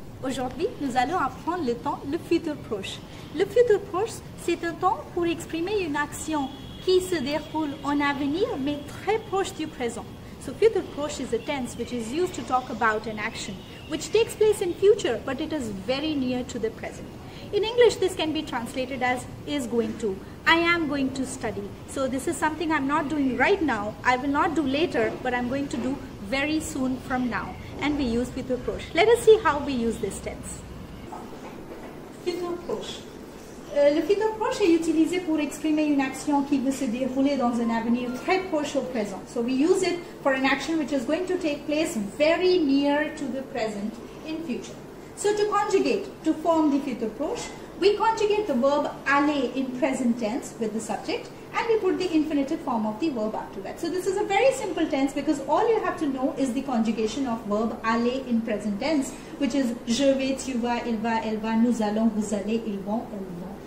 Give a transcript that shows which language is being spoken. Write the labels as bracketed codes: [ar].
[fr] Aujourd'hui, nous allons apprendre le temps, le futur proche. Le futur proche, c'est un temps pour exprimer une action qui se déroule en avenir, mais très proche du présent. [en] So, futur proche is a tense which is used to talk about an action which takes place in future, but it is very near to the present. In English, this can be translated as is going to. I am going to study. So, this is something I'm not doing right now. I will not do later, but I'm going to do very soon from now. And we use futur proche. Let us see how we use this tense. Futur proche. [fr] Le futur proche est utilisé pour exprimer une action qui veut se dérouler dans un avenir très proche au présent. [en] So we use it for an action which is going to take place very near to the present in future. So to conjugate, to form the futur proche, we conjugate the verb aller in present tense with the subject and we put the infinitive form of the verb after that. So this is a very simple tense because all you have to know is the conjugation of verb aller in present tense, which is [fr] je vais, tu vas, il va, elle va, nous allons, vous allez, ils vont, elles vont.